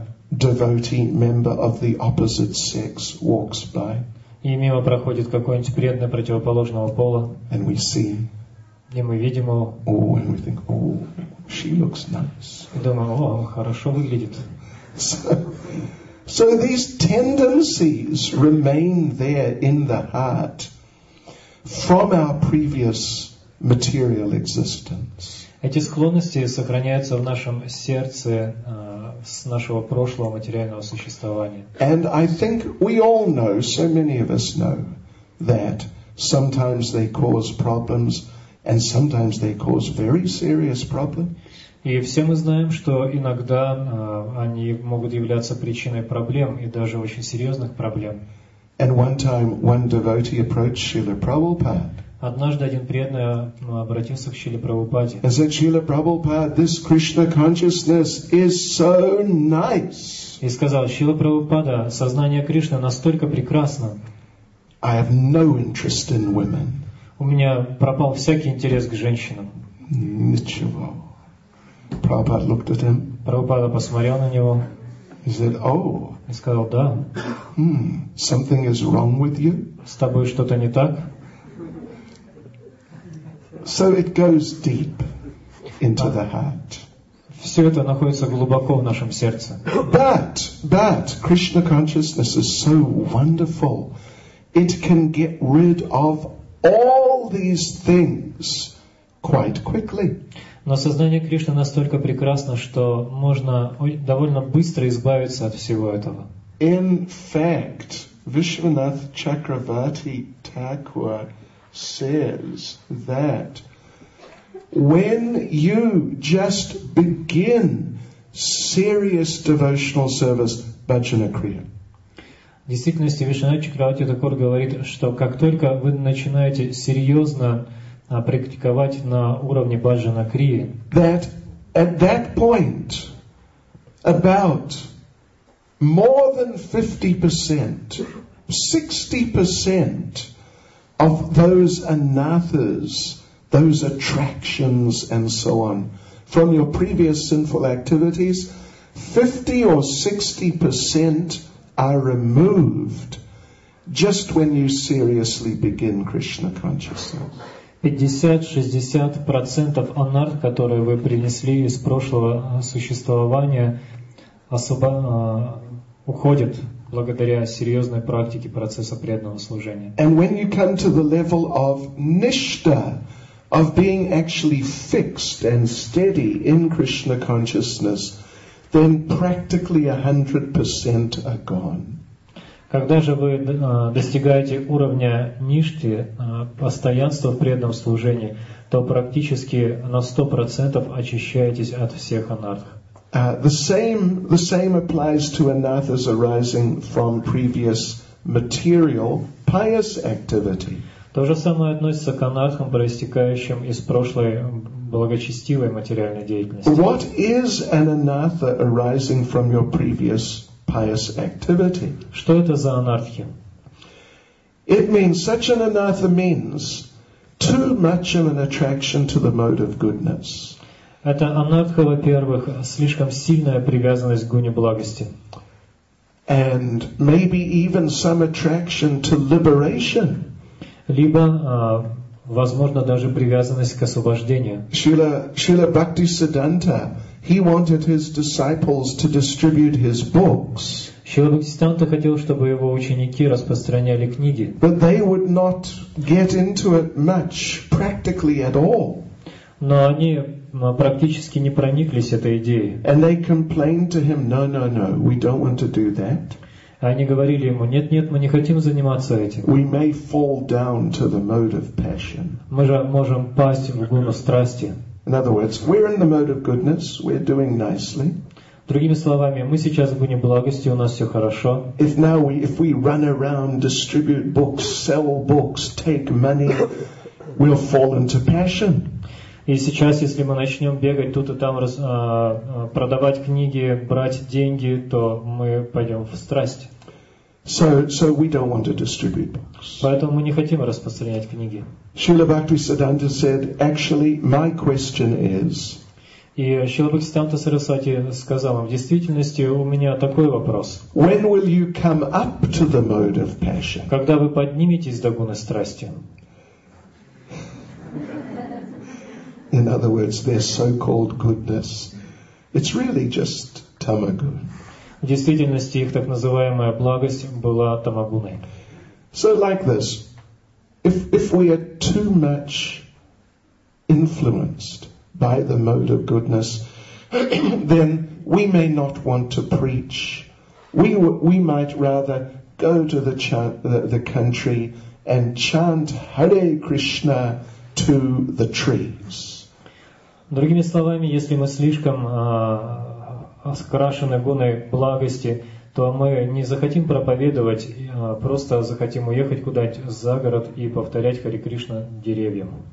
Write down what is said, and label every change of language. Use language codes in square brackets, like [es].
[en] Devotee member of the opposite sex walks by. [ru] И мимо проходит какой-нибудь преданный противоположного пола. [en] And we see. [ru] И мы видим его. [en] Oh, and we think, oh, she looks nice. [ru] Думаю, о, хорошо выглядит. [en] So these tendencies remain there in the heart from our previous material existence. [ru] Эти склонности сохраняются в нашем сердце с нашего прошлого материального существования. [en] And I think we all know, so many of us know, that sometimes they cause problems And sometimes they cause very serious problems. [ru] И все мы знаем, что иногда они могут являться причиной проблем и даже очень серьезных проблем. [en] And one time one devotee approached Srila Prabhupada. [ru] Однажды один преданный обратился к Шриле Прабхупаде. [en] And said, Srila Prabhupada, this Krishna consciousness is so nice. [ru] И сказал: Шрила Прабхупада, сознание Кришны настолько прекрасно. [en] I have no interest in women. [ru] У меня пропал всякий интерес к женщинам. Ничего. [en] Prabhupada looked at him. [ru] Прабхупада посмотрел на него. [en] He said, "Oh." [ru] И сказал: "Да." [en] Something is wrong with you. [ru] С тобой что-то не так. [en] So it goes deep into the heart. [ru] Все это находится глубоко в нашем сердце. [en] But Krishna consciousness is so wonderful. It can get rid of all these things quite quickly. [ru] Но сознание Кришны настолько прекрасно, что можно довольно быстро избавиться от всего этого. [en] In fact, Vishwanath Chakravarti Thakur says that when you just begin serious devotional service, bhajana kriya. [ru] В действительности Вишванатх Чакравати Такур говорит, что как только вы начинаете серьезно практиковать на уровне баджана крии, [en] that at that point about more than 50%, 60% of those anathas, those attractions and so on from your previous sinful activities, 50 or 60% are removed just when you seriously begin Krishna consciousness. [ru] 50-60% анарх, которые вы принесли из прошлого существования, особо уходят благодаря серьезной практике процесса преданного служения. [en] And when you come to the level of nishta, of being actually fixed and steady in Krishna consciousness, then practically 100% are gone. [ru] Когда же вы достигаете уровня ништи, постоянства в преданном служении, то практически на 100% очищаетесь от всех анарх. [en] The same applies to anathas arising from previous material pious activity. [ru] То же самое относится к анархам, проистекающим из прошлой благочестивой материальной деятельности. [en] What is an anatha arising from your previous pious activity? [ru] Что это за анархи? [en] It means, such an anatha means too much of an attraction to the mode of goodness. [ru] Это анатха, во-первых, слишком сильная привязанность к гуне благости. [en] And maybe even some attraction to liberation. [ru] Либо, возможно, даже привязанность к освобождению. [en] Шрила Бхакти Сиддханта, he wanted his disciples to distribute his books. [ru] Шрила Бхакти Сиддханта хотел, чтобы его ученики распространяли книги. [en] But they would not get into it much, practically at all. [ru] Но они практически не прониклись этой идеей. [en] And they complained to him, "No, no, no, we don't want to do that." [ru] Они говорили ему: нет, нет, мы не хотим заниматься этим. [en] We may fall down to the mode of passion. [ru] Мы же можем пасть в гуну страсти. [en] In other words, we're in the mode of goodness, we're doing nicely. [ru] Другими словами, мы сейчас в гуне благости, у нас все хорошо. [en] If now we, if we run around, distribute books, sell books, take money, we'll fall into passion. [ru] И сейчас, если мы начнем бегать тут и там, продавать книги, брать деньги, то мы пойдем в страсть. [en] So we don't want to distribute books. [ru] Поэтому мы не хотим распространять книги. [en] Srila Bhakti Siddhanta said, actually, my question is... [ru] И Шрила Бхакти Сиддханта Сарасвати сказал им: в действительности у меня такой вопрос. [en] When will you come up to the mode of passion? [ru] Когда вы подниметесь до гуны страсти? [en] In other words, their so-called goodness, it's really just tamaguna. [ru] В действительности их так называемая благость была тамагуной. [en] So like this, if we are too much influenced by the mode of goodness, then we may not want to preach. We might rather go to the country and chant Hare Krishna to the trees. [ru] Другими словами, если мы слишком окрашены гоной благости, то мы не захотим проповедовать, просто захотим уехать куда-нибудь за город и повторять Харе Кришна деревьям.